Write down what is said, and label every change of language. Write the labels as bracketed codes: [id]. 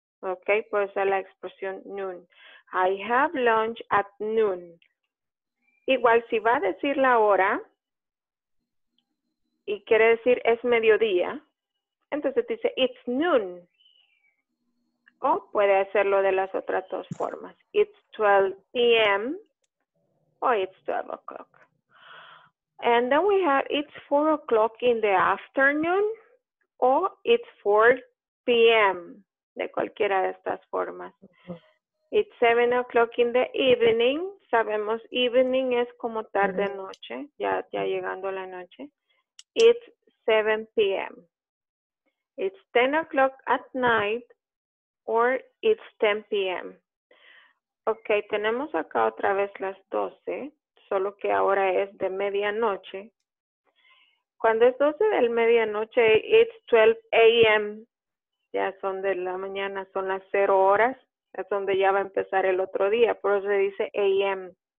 [es] Ok, puede ser la expresión noon. [en] I have lunch at noon. [es] Igual si va a decir la hora y quiere decir es mediodía, entonces dice [en] it's noon. [es] O puede hacerlo de las otras dos formas. [en] It's 12 p.m. o it's 12 o'clock. And then we have it's 4 o'clock in the afternoon o it's 4 p.m. [es] de cualquiera de estas formas. [en] It's 7 o'clock in the evening. [es] Sabemos evening es como tarde noche, ya llegando la noche. [en] It's 7 p.m. It's 10 o'clock at night or it's 10 p.m. [es] Ok, tenemos acá otra vez las 12, solo que ahora es de medianoche. Cuando es 12 de medianoche, [en] it's 12 a.m. [es] Ya son de la mañana, son las 0 horas. Es donde ya va a empezar el otro día, por eso se dice a.m.